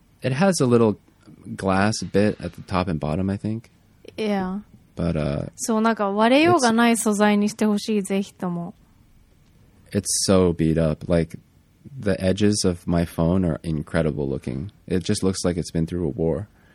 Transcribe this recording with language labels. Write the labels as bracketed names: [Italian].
[English] It has a little glass bit at the top and bottom, I think. Yeah. But, [Japanese] そう、なんか割れようがない素材にしてほしい、ぜひとも。 [English] It's so beat up. Like, the edges of my phone are incredible looking. It just looks like it's been through a war.